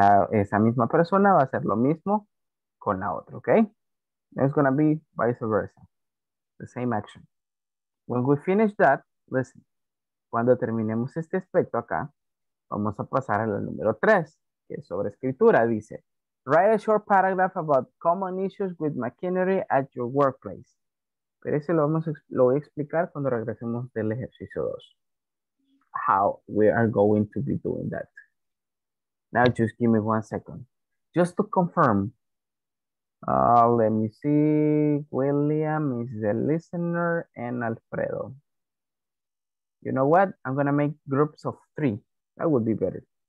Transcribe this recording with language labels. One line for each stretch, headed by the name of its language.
Spanish: Esa misma persona va a hacer lo mismo con la otra, okay?
English: It's going to be vice versa. The same action. When we finish that, listen.
Spanish: Cuando terminemos este aspecto acá, Vamos a pasar a la número 3, que es sobre escritura.
English: Dice, write a short paragraph about common issues with machinery at your workplace.
Spanish: Pero ese lo voy a explicar cuando regresemos del ejercicio 2.
English: How we are going to be doing that. Now just give me 1 second. Just to confirm. Let me see. William is the listener and Alfredo. You know what? I'm going to make groups of 3. That would be better.